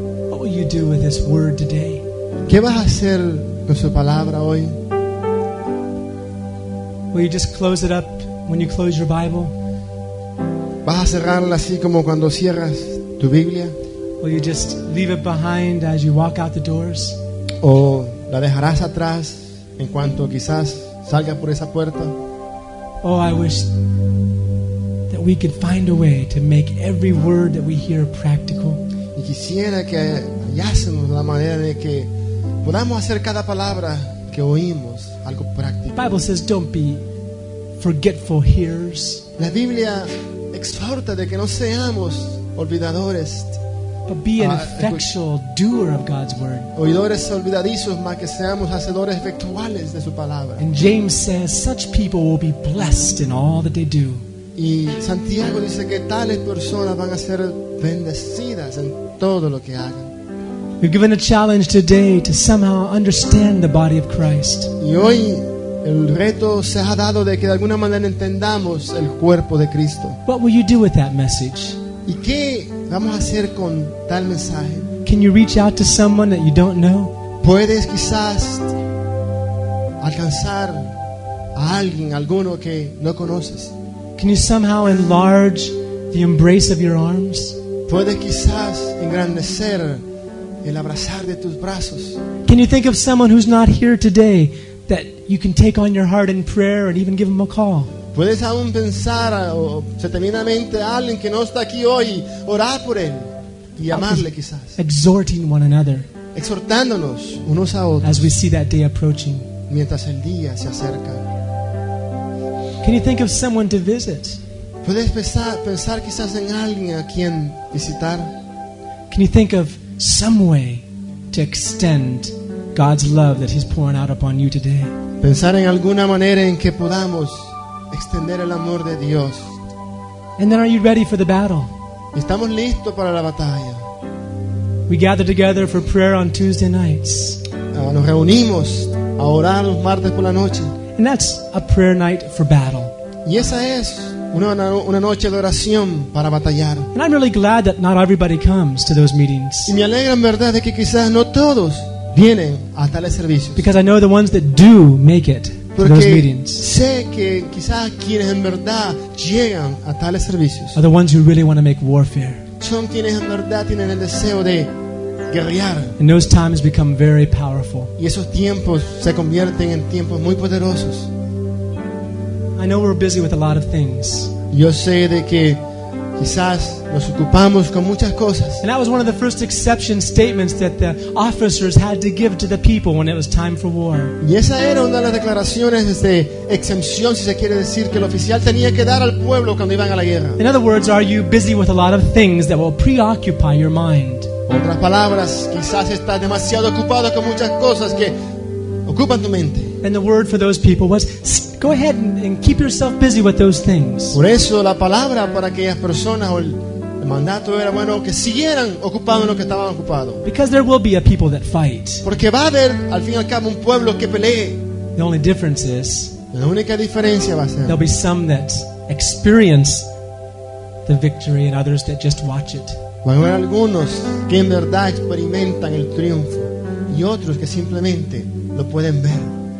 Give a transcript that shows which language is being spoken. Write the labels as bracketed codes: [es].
[en] What will you do with this word today? [es] ¿Qué vas a hacer con su palabra hoy? [en] Will you just close it up when you close your Bible? [es] ¿Vas a cerrarla así como cuando cierras tu Biblia? [en] Will you just leave it behind as you walk out the doors? [es] ¿O la dejarás atrás en cuanto quizás salga por esa puerta? [en] Oh, I wish that we could find a way to make every word that we hear practical. [es] Y quisiera que hallásemos la manera de que podamos hacer cada palabra que oímos algo práctico. [en] The Bible says, "Don't be forgetful hearers." [es] La Biblia exhorta de que no seamos olvidadores. [en] But be an effectual doer of God's word. [es] Oidores olvidadizos, más que seamos hacedores efectuales de su palabra. [en] And James says such people will be blessed in all that they do. [es] Y Santiago dice que tales personas van a ser bendecidas en todo lo que hagan. [en] We've given a challenge today to somehow understand the body of Christ. [es] Y hoy el reto se ha dado de que de alguna manera entendamos el cuerpo de Cristo. [en] What will you do with that message? [es] ¿Y qué vamos a hacer con tal mensaje? [en] Can you reach out to someone that you don't know? [es] ¿Puedes quizás alcanzar a alguien, alguno que no conoces? [en] Can you somehow enlarge the embrace of your arms? [es] ¿Puedes quizás engrandecer el abrazar de tus brazos? [en] Can you think of someone who's not here today that you can take on your heart in prayer and even give them a call? [es] ¿Puedes aún pensar o se te viene a mente alguien que no está aquí hoy, orar por él y llamarle quizás? [en] Exhorting one another. [es] Exhortándonos unos a otros. [en] As we see that day approaching. [es] Mientras el día se acerca. [en] Can you think of someone to visit? [es] ¿Puedes pensar quizás en alguien a quien visitar? [en] Can you think of some way to extend God's love that He's pouring out upon you today? [es] Pensar en alguna manera en que podamos extender el amor de Dios. [en] And then, are you ready for the battle? [es] Estamos listos para la batalla. [en] We gather together for prayer on Tuesday nights. [es] Nos reunimos a orar los martes por la noche. [en] And that's a prayer night for battle. [es] Y esa es una noche de oración para batallar. [en] And I'm really glad that not everybody comes to those meetings. [es] Y me alegra en verdad de que quizás no todos vienen a tales servicios. [en] Because I know the ones that do make it. [es] Porque sé que quizás quienes en verdad llegan a tales servicios [en] are the ones who really want to make warfare. [es] Son quienes en verdad tienen el deseo de guerrear. [en] And those times become very powerful. [es] Y esos tiempos se convierten en tiempos muy poderosos. [en] I know we're busy with a lot of things. [es] Yo sé de que quizás nos ocupamos con muchas cosas. [en] And that was one of the first exception statements that the officers had to give to the people when it was time for war. [es] Y esa era una de las declaraciones de exención, si se quiere decir, que el oficial tenía que dar al pueblo cuando iban a la guerra. [en] In other words, are you busy with a lot of things that will preoccupy your mind? [es] Otras palabras, quizás estás demasiado ocupado con muchas cosas que ocupan tu mente. [en] And the word for those people was, go ahead and keep yourself busy with those things. [es] Por eso la palabra para aquellas personas o el mandato era bueno que siguieran ocupados en lo que estaban ocupados. [en] Because there will be a people that fight. [es] Porque va a haber al fin y al cabo un pueblo que pelee. [en] The only difference is, [es] la única diferencia va a ser, [en] there'll be some that experience the victory and others that just watch it. [es] Va a haber algunos que en verdad experimentan el triunfo y otros que simplemente lo pueden ver.